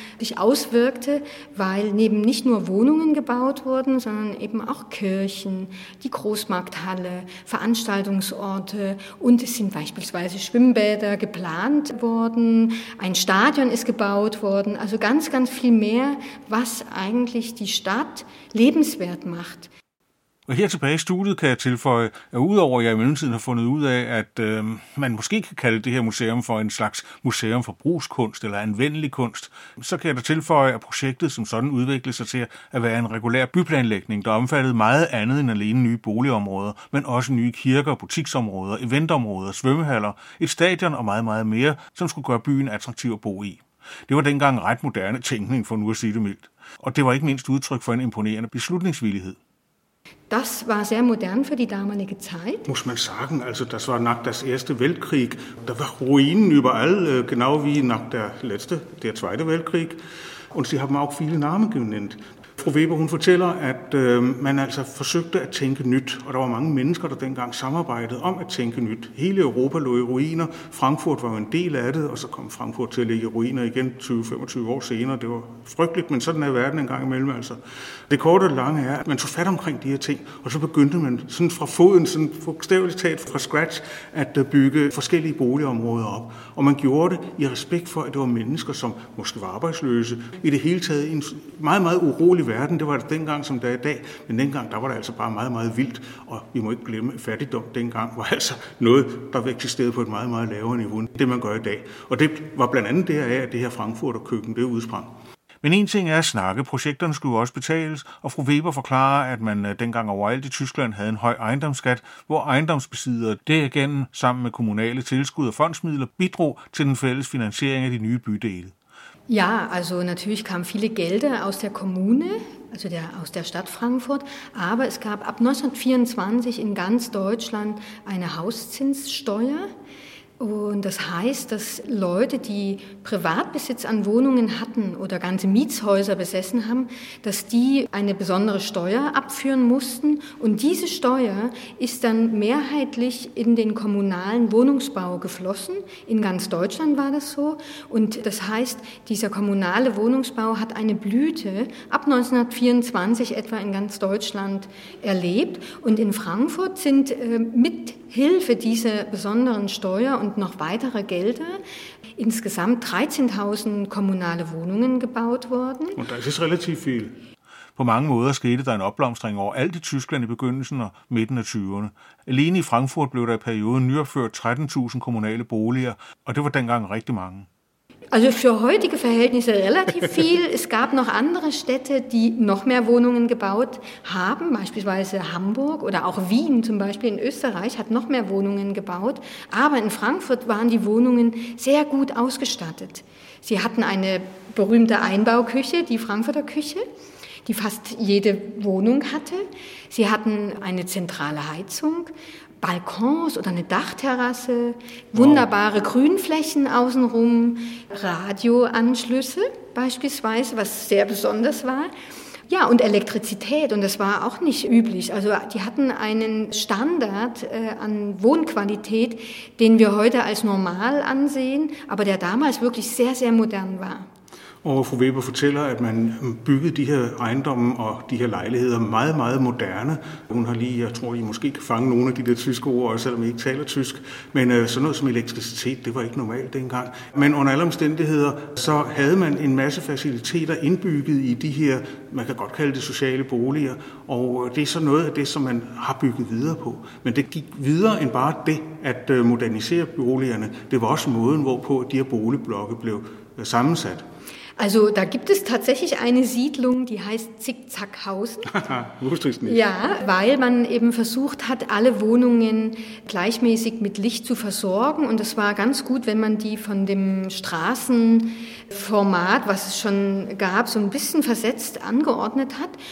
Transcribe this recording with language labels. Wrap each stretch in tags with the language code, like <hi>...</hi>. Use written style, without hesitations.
<de>sich auswirkte, weil neben nicht nur Wohnungen gebaut wurden, sondern eben auch Kirchen, die Großmarkthalle, Veranstaltungsorte und es sind beispielsweise Schwimmbäder geplant worden, ein Stadion ist gebaut worden, also ganz, ganz viel mehr, was eigentlich die Stadt lebenswert macht.</de> <da>Og her tilbage i studiet kan jeg tilføje, at udover jeg i mellemtiden har fundet ud af, at man måske kan kalde det her museum for en slags museum for brugskunst eller anvendelig kunst, så kan jeg da tilføje, at projektet som sådan udviklede sig til at være en regulær byplanlægning, der omfattede meget andet end alene nye boligområder, men også nye kirker, butiksområder, eventområder, svømmehaller, et stadion og meget, meget mere, som skulle gøre byen attraktiv at bo i. Det var dengang ret moderne tænkning, for nu at sige det mildt. Og det var ikke mindst udtryk for en imponerende beslutningsvillighed.</da> <de>Das war sehr modern für die damalige Zeit. Muss man sagen, also das war nach dem Ersten Weltkrieg. Da war Ruinen überall, genau wie nach der Zweiten Weltkrieg. Und sie haben auch viele Namen genannt.</de> <da>Fru Weber, hun fortæller, at man altså forsøgte at tænke nyt, og der var mange mennesker, der dengang samarbejdede om at tænke nyt. Hele Europa lå i ruiner, Frankfurt var jo en del af det, og så kom Frankfurt til at ligge i ruiner igen 20-25 år senere. Det var frygteligt, men sådan er verden engang imellem altså. Det korte og lange er, at man tog fat omkring de her ting, og så begyndte man sådan fra foden, sådan bogstaveligt talt fra scratch, at bygge forskellige boligområder op. Og man gjorde det i respekt for, at det var mennesker, som måske var arbejdsløse, i det hele taget en meget, meget urolig i verden. Det var det dengang, som det er i dag. Men dengang, der var det altså bare meget, meget vildt. Og vi må ikke glemme, at fattigdom dengang var altså noget, der eksisterede på et meget, meget lavere niveau, end det man gør i dag. Og det var blandt andet det her, at det her Frankfurter køkken, det udsprang. Men en ting er at snakke. Projekterne skulle også betales, og fru Weber forklarer, at man dengang overalt i Tyskland havde en høj ejendomsskat, hvor ejendomsbesiddere derigennem sammen med kommunale tilskud og fondsmidler bidrog til den fælles finansiering af de nye bydele.</da> <de>Ja, also natürlich kam viele Gelder aus der Kommune, also der, aus der Stadt Frankfurt, aber es gab ab 1924 in ganz Deutschland eine Hauszinssteuer. Und das heißt, dass Leute, die Privatbesitz an Wohnungen hatten oder ganze Mietshäuser besessen haben, dass die eine besondere Steuer abführen mussten. Und diese Steuer ist dann mehrheitlich in den kommunalen Wohnungsbau geflossen. In ganz Deutschland war das so. Und das heißt, dieser kommunale Wohnungsbau hat eine Blüte ab 1924 etwa in ganz Deutschland erlebt. Und in Frankfurt sind mit Hilfe dieser besonderen Steuer und noch weitere Gelder insgesamt 13.000 kommunale Wohnungen gebaut worden. Und das ist relativ viel.</de> <da>På mange måder skete der en opblomstring over alt i Tyskland i begyndelsen og midten af 20'erne. Alene i Frankfurt blev der i perioden nyopført 13.000 kommunale boliger, og det var dengang rigtig mange.</da> <de>Also für heutige Verhältnisse relativ viel. Es gab noch andere Städte, die noch mehr Wohnungen gebaut haben, beispielsweise Hamburg oder auch Wien zum Beispiel in Österreich hat noch mehr Wohnungen gebaut. Aber in Frankfurt waren die Wohnungen sehr gut ausgestattet. Sie hatten eine berühmte Einbauküche, die Frankfurter Küche, die fast jede Wohnung hatte. Sie hatten eine zentrale Heizung. Balkons oder eine Dachterrasse, wunderbare Grünflächen außenrum, Radioanschlüsse beispielsweise, was sehr besonders war. Ja, und Elektrizität, und das war auch nicht üblich. Also die hatten einen Standard an Wohnqualität, den wir heute als normal ansehen, aber der damals wirklich sehr, sehr modern war.</de> <da>Og fru Weber fortæller, at man byggede de her ejendomme og de her lejligheder meget, meget moderne. Hun har lige, jeg tror, I måske kan fange nogle af de der tyske ord, selvom I ikke taler tysk. Men sådan noget som elektricitet, det var ikke normalt dengang. Men under alle omstændigheder, så havde man en masse faciliteter indbygget i de her, man kan godt kalde det sociale boliger. Og det er så noget af det, som man har bygget videre på. Men det gik videre end bare det, at modernisere boligerne. Det var også måden, hvorpå de her boligblokke blev sammensat.</da> <de>Also da gibt es tatsächlich eine Siedlung, die heißt Zickzackhausen. Wusste ich nicht. Ja, weil man eben versucht hat, alle Wohnungen gleichmäßig mit Licht zu versorgen. Und es war ganz gut, wenn man die von dem Straßenformat, was es schon gab, so ein bisschen versetzt angeordnet hat.</de>